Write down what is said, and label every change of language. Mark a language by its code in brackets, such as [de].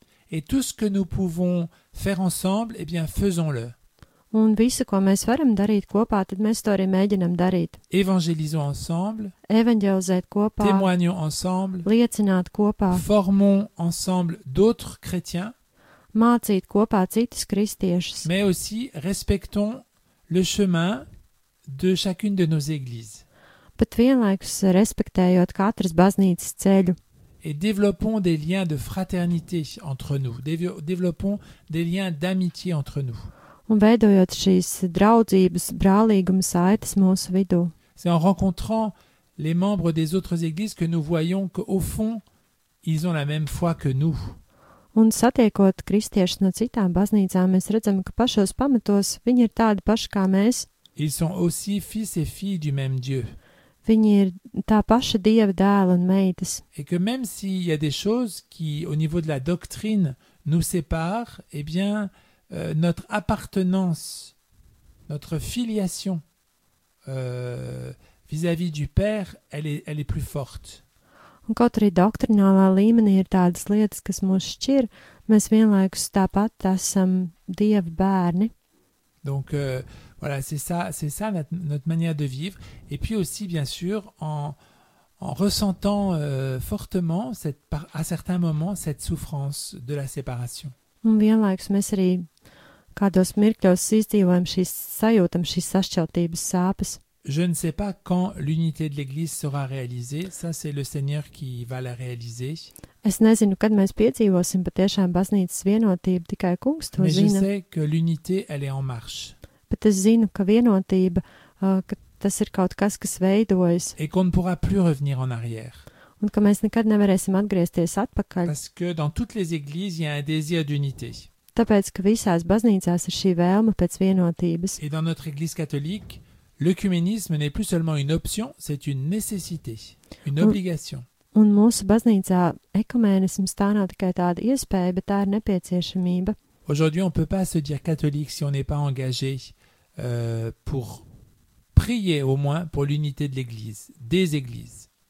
[fr] Et tout ce que nous pouvons faire ensemble, eh bien, faisons-le. [lv] Un visu, ko mēs varam darīt kopā, tad mēs to arī mēģinam darīt. [fr] Evangélisons ensemble. [lv] Evangelizēt kopā. [fr] Témoignons ensemble. [lv] Liecināt kopā. [fr] Formons ensemble d'autres chrétiens. [lv] Mācīt kopā citus kristiešus. [fr] Mais aussi respectons le chemin de chacune de nos églises. [lv] Bet vienlaikus respektējot katras baznīcas ceļu. [fr] Et développons des liens de fraternité entre nous. Développons des liens d'amitié entre nous. [lv] Un veidojot šīs draudzības, brālīgumu saites mūsu vidū. [fr] C'est en rencontrant les membres des autres églises que nous voyons qu'au fond, ils ont la même foi que nous. [lv] Un satiekot kristiešus no citām baznīcām, mēs redzam, ka pašos pamatos viņi ir tādi paši kā mēs. [fr] Ils sont aussi fils et filles du même Dieu. [lv] Viņi ir tā paša Dieva dēli un meitas. [fr] Et que même s'il y a des choses qui, au niveau de la doctrine, nous séparent, eh bien, notre appartenance, notre filiation vis-à-vis du Père, elle est plus forte. [lv] Un kaut arī doktrinālā līmenī ir tādas lietas, kas mūs šķir, mēs vienlaikus tāpat esam Dieva bērni. [fr] Donc, voilà, c'est ça notre manière de vivre. Et puis aussi, bien sûr, en ressentant fortement, à certains moments, cette souffrance de la séparation. [lv] Un vienlaikus mēs arī kādos mirkļos izdzīvojam šīs sajūtam, šīs sašķeltības sāpes. [fr] Je ne sais pas quand l'unité de l'Église sera réalisée. Ça, c'est le Seigneur qui va la réaliser. [lv] Es nezinu, kad mēs piedzīvosim patiešām baznīcas vienotību, tikai Kungs to [fr] Mais [lv] zina. [fr] Je sais que l'unité, elle est en marche. [lv] Bet es zinu, ka vienotība, ka tas ir kaut kas, kas veidojas. [fr] Et qu'on ne pourra plus revenir en arrière. [lv] Un ka mēs nekad nevarēsim atgriezties atpakaļ. [fr] Parce que dans toutes les églises, il y a un désir d'unité. [lv] Tāpēc, ka visās baznīcās ir šī vēlme pēc vienotības. [fr] Et dans notre église catholique, l'œcuménisme n'est plus seulement une option, c'est une nécessité, une obligation. [lv] Un mūsu baznīcā ekumenisms tā nav tikai tāda iespēja, bet tā ir nepieciešamība. [fr] Aujourd'hui, on peut pas se dire catholique si on n'est pas engagé pour prier au moins pour l'unité de l'église, des églises.